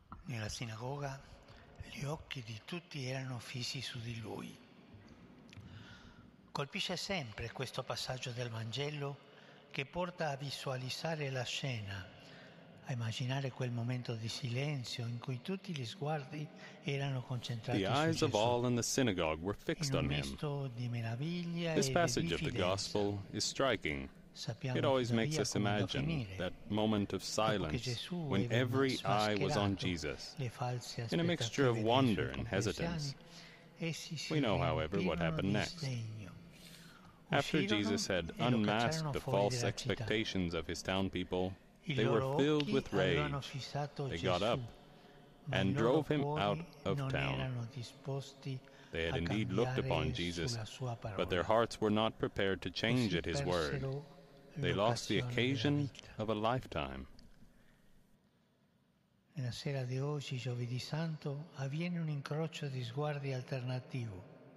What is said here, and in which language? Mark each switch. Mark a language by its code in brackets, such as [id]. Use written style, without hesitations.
[it] Nella sinagoga gli occhi di tutti erano fissi su di lui. Colpisce sempre questo passaggio del Vangelo che porta a visualizzare la scena, a immaginare quel momento di silenzio in cui tutti gli sguardi erano concentrati su Gesù. [en] The eyes of all in the synagogue were fixed on him. [it] In un misto di meraviglia e di [en] passage of the gospel is striking. It always makes us imagine that moment of silence when every eye was on Jesus. In a mixture of wonder and hesitance, we know, however, what happened next. After Jesus had unmasked the false expectations of his town people, they were filled with rage. They got up and drove him out of town. They had indeed looked upon Jesus, but their hearts were not prepared to change at his word. They lost the occasion of a lifetime. [it] Nella sera di oggi, giovedì santo, avviene un incrocio di sguardi alternativo.